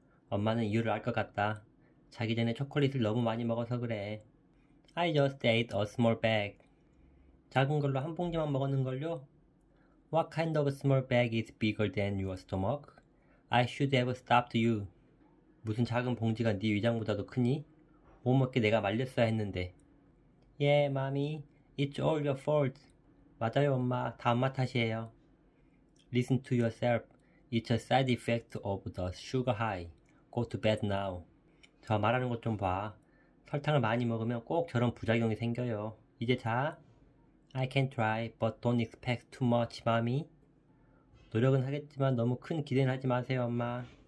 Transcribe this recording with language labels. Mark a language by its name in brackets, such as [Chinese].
[Korean] 엄마는 이유를 알 것 같다. 자기 전에 초콜릿을 너무 많이 먹어서 그래. [English] I just ate a small bag. [Korean] 작은 걸로 한 봉지만 먹었는걸요? [English] What kind of small bag is bigger than your stomach? I should have stopped you. [Korean] 무슨 작은 봉지가 네 위장보다도 크니? 못 먹게 내가 말렸어야 했는데. [English] Yeah, Mommy. It's all your fault. 맞아요, 엄마. 다 엄마 탓이에요. Listen to yourself. It's a side effect of the sugar high. Go to bed now. 저 말하는 것 좀 봐. [Korean] 설탕을 많이 먹으면 꼭 저런 부작용이 생겨요. 이제 자. [English] I can try, but don't expect too much, Mommy. [Korean] 노력은 하겠지만 너무 큰 기대는 하지 마세요, 엄마.